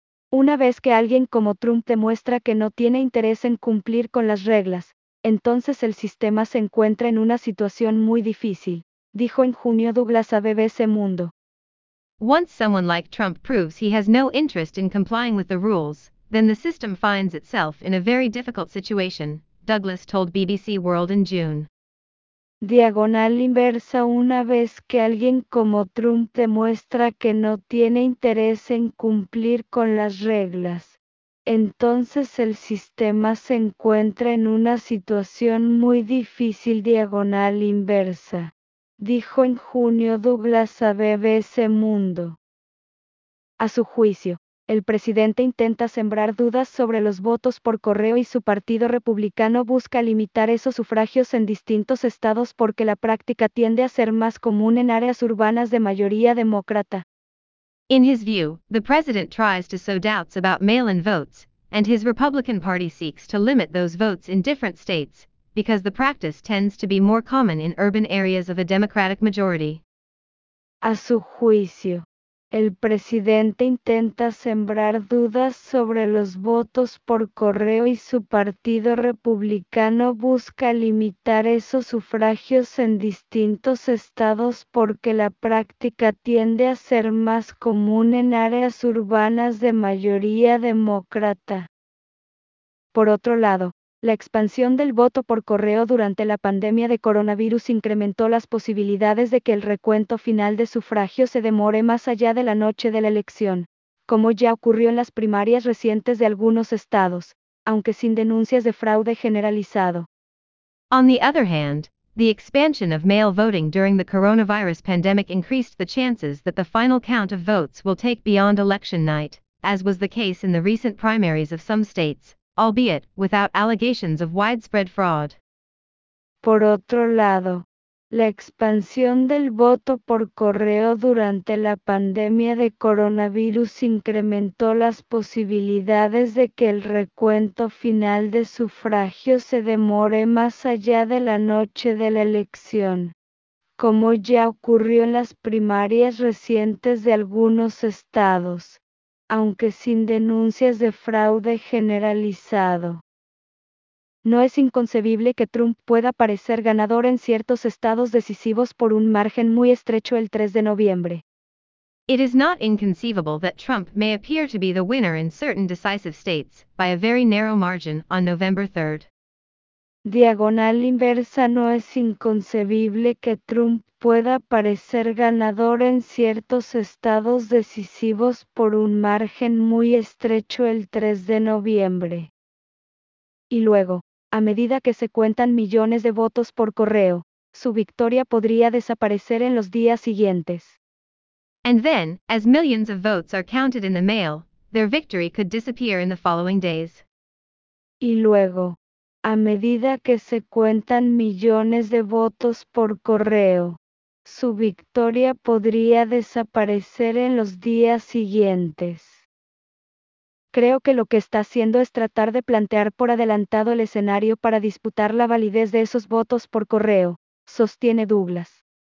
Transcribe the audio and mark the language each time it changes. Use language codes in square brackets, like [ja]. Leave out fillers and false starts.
[es] Una vez que alguien como Trump demuestra que no tiene interés en cumplir con las reglas, entonces el sistema se encuentra en una situación muy difícil, dijo en junio Douglas a BBC Mundo. [en] Once someone like Trump proves he has no interest in complying with the rules, then the system finds itself in a very difficult situation, Douglas told BBC World in June. [es] Diagonal inversa, una vez que alguien como Trump demuestra que no tiene interés en cumplir con las reglas, entonces el sistema se encuentra en una situación muy difícil diagonal inversa, dijo en junio Douglas a BBC Mundo. A su juicio, el presidente intenta sembrar dudas sobre los votos por correo y su partido republicano busca limitar esos sufragios en distintos estados porque la práctica tiende a ser más común en áreas urbanas de mayoría demócrata. [en] In his view, the president tries to sow doubts about mail-in votes, and his Republican Party seeks to limit those votes in different states, because the practice tends to be more common in urban areas of a Democratic majority. [es] A su juicio, el presidente intenta sembrar dudas sobre los votos por correo y su partido republicano busca limitar esos sufragios en distintos estados porque la práctica tiende a ser más común en áreas urbanas de mayoría demócrata. Por otro lado, la expansión del voto por correo durante la pandemia de coronavirus incrementó las posibilidades de que el recuento final de sufragio se demore más allá de la noche de la elección, como ya ocurrió en las primarias recientes de algunos estados, aunque sin denuncias de fraude generalizado. [en] On the other hand, the expansion of mail voting during the coronavirus pandemic increased the chances that the final count of votes will take beyond election night, as was the case in the recent primaries of some states, albeit without allegations of widespread fraud. [es] Por otro lado, la expansión del voto por correo durante la pandemia de coronavirus incrementó las posibilidades de que el recuento final de sufragio se demore más allá de la noche de la elección, como ya ocurrió en las primarias recientes de algunos estados, aunque sin denuncias de fraude generalizado. No es inconcebible que Trump pueda parecer ganador en ciertos estados decisivos por un margen muy estrecho el 3 de noviembre. [en] It is not inconceivable that Trump may appear to be the winner in certain decisive states, by a very narrow margin, on November 3rd. [es] Diagonal inversa, no es inconcebible que Trump pueda parecer ganador en ciertos estados decisivos por un margen muy estrecho el 3 de noviembre. Y luego, a medida que se cuentan millones de votos por correo, su victoria podría desaparecer en los días siguientes. [en] And then, as millions of votes are counted in the mail, their victory could disappear in the following days. [es] Y luego, a medida que se cuentan millones de votos por correo, su victoria podría desaparecer en los días siguientes. Creo que lo que está haciendo es tratar de plantear por adelantado el escenario para disputar la validez de esos votos por correo, sostiene Douglas.